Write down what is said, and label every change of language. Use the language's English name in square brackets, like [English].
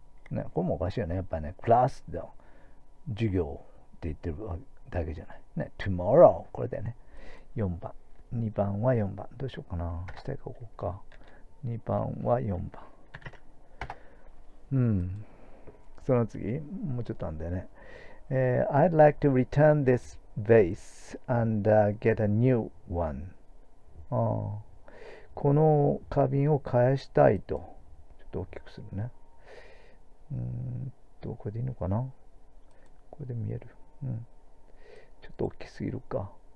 [Japanese] ね、これもおかしいよね。やっぱね、クラスで授業って言ってるだけじゃない。ね、tomorrow、これでね。4番。2番は4番。どうしようかな。下書こうか。 2番は4番。その次、もうちょっとなんだよね。 [English] I'd like to return this vase and get a new one. [Japanese] この花瓶を返したいと。ちょっと大きくするね。これでいいのかな？これで見える。ちょっと大きすぎるか。